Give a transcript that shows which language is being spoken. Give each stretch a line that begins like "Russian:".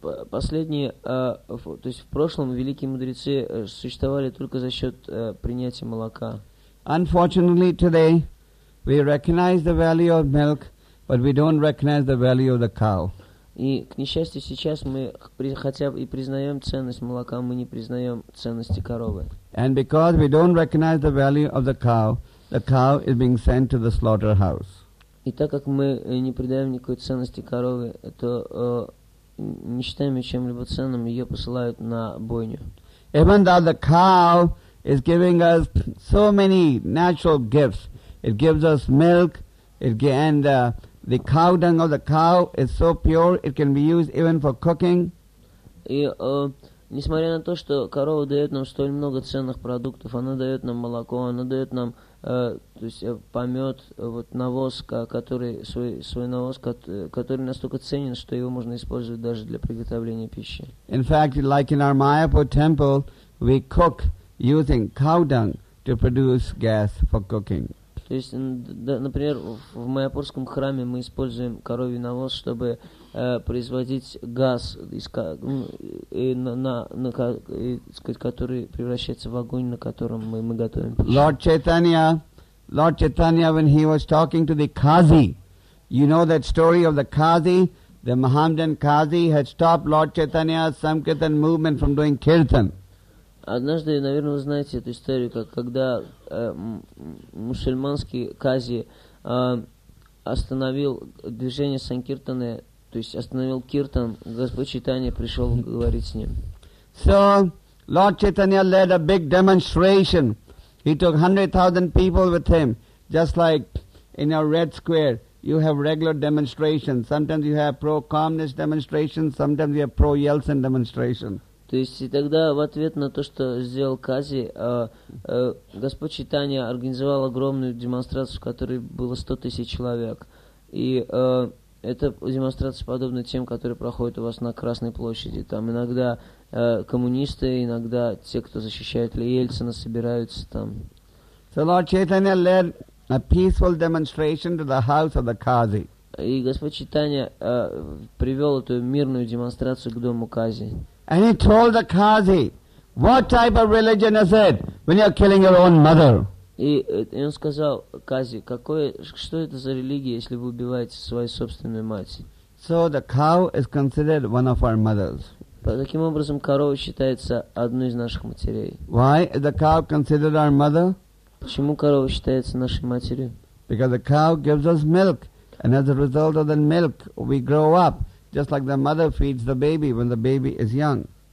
Russian: Последние, то есть в прошлом великие мудрецы существовали только за счет принятия молока.
English: Unfortunately, today we recognize the value of milk, but we don't recognize the value of the cow.
Russian: И к несчастью сейчас мы хотя бы и признаем ценность молока, мы не признаем ценности коровы.
English: And because we don't recognize the value of the cow is being sent to the slaughterhouse.
Russian: И так как мы не придаем никакой ценности коровы, то не считаем ее чем-либо ценным, ее посылают на бойню.
English: Even though the cow is giving us so many natural gifts, it gives us milk, the cow dung of the cow is so pure it can be used even for cooking.
Russian: И несмотря на то, что корова дает нам столь много ценных продуктов, она дает нам молоко, она дает нам то есть помет, вот навоз, который свой навоз, который настолько ценен, что его можно использовать даже для приготовления пищи.
English: In fact, like in our Mayapur temple, we cook using cow dung to produce gas for cooking.
Russian: То есть, например, в Майяпурском храме мы используем коровий навоз, чтобы производить газ, который превращается в огонь, на котором мы готовим пищу.
English: Lord Chaitanya, when he was talking to the Qazi, you know that story of the Qazi, the Mohammedan Qazi had stopped Lord Chaitanya's Sankirtan movement from doing Kirtan.
Russian: Однажды, наверное, вы знаете эту историю, как когда мусульманский кази остановил движение санкиртаны, то есть остановил киртан, Господь Чайтанья пришел говорить с ним.
English: So Lord Chaitanya led a big demonstration. He took 100,000 people with him, just like in our Red Square. You have regular demonstrations. Sometimes you have pro-communist demonstrations. Sometimes you have pro-Yeltsin demonstrations.
Russian: То есть и тогда в ответ на то, что сделал Кази, Господь Чайтанья организовал огромную демонстрацию, в которой было 100,000 человек. И это демонстрация подобна тем, которые проходят у вас на Красной площади. Там иногда коммунисты, иногда те, кто защищает Ельцина, собираются там.
English: So Lord Chaitanya led a peaceful demonstration to the house of the Kazi.
Russian: И Господь Чайтанья привел эту мирную демонстрацию к дому Кази.
English: And he told the Qazi, what type of religion is it when you are killing your own mother?
Russian: И он сказал Qazi, что это за религия, если вы убиваете свою собственную мать?
English: So the cow is considered one of our mothers.
Russian: Таким образом, корова считается одной из наших матерей.
English: Why is the cow considered our mother?
Russian: Почему корова считается нашей матерью?
English: Because the cow gives us milk, and as a result of that milk, we grow up. Just like the mother feeds the baby when the baby is young.